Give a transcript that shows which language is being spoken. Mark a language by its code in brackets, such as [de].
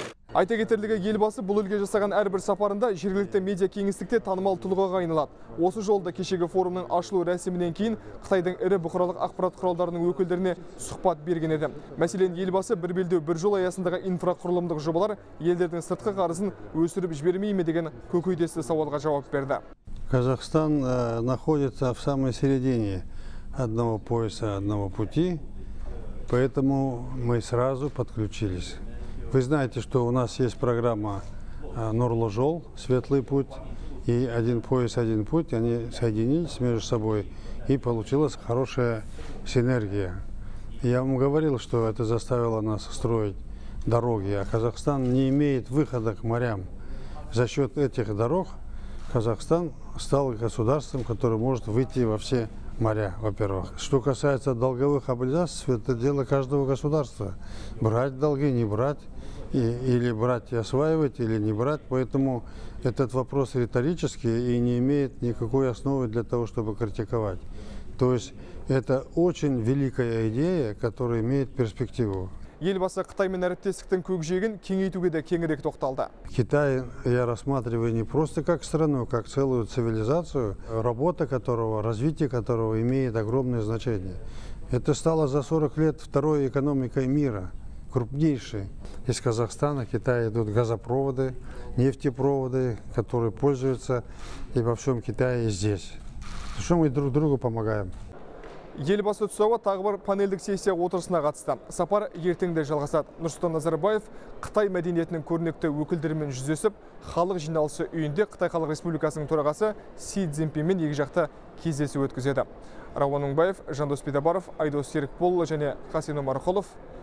[kk] Айта кетерлігі, елбасы бұл елге жасаған әрбір сапарында жергілікті медиа кеңістікте танымал тұлғаға айналады. Осы жолда кешегі форумның ашылу рәсімінен кейін Қытайдың ірі бұқаралық ақпарат құралдарының өкілдеріне сұхбат берген еді. Мәселен, елбасы бір белдеу бір жол аясындағы инфрақұрылымдық жобалар елдердің сыртқы қарызын өсіріп жібермей ме деген көкейтесті сауалға жауап берді. [ru] Қазақстан находится в самой середине одного пояса, одного пути, поэтому мы сразу подключились. Вы знаете, что у нас есть программа Нурлы-Жол, Светлый путь, и один пояс, один путь, они соединились между собой, и получилась хорошая синергия. Я вам говорил, что это заставило нас строить дороги, а Казахстан не имеет выхода к морям. За счет этих дорог Казахстан стал государством, которое может выйти во все моря, во-первых. Что касается долговых облигаций, это дело каждого государства. Брать долги, не брать. Или брать и осваивать, или не брать. Поэтому этот вопрос риторический и не имеет никакой основы для того, чтобы критиковать. То есть это очень великая идея, которая имеет перспективу. [kk] Елбасы Қытай мен әріптестіктің көкжиегін кеңейтуге де кеңірек тоқталды. [ru] Китай я рассматриваю не просто как страну, как целую цивилизацию, работа которого, развитие которого имеет огромное значение. Это стало за 40 лет второй экономикой мира. Крупнейшие из Казахстана, Китая идут газопроводы, нефтепроводы, которые пользуются и во всем Китае, и здесь. Что мы друг другу помогаем? [kk] Елбасы тұсауы тағы бір панельдік сессия отырысына қатысты. Сапар ертеңде жалғасады. Нұрсұлтан Назарбаев Қытай мәдениетінің көрнекті өкілдерімен жүздесіп, халық жиналысы үйінде Қытай Халық Республикасының төрағасы Си Цзиньпинмен екіжақты кездесу өткізеді. Рауан Мыңбаев, Жандос Бидабаров, Айдос Серікболұлы және Хасен Омарқұлов.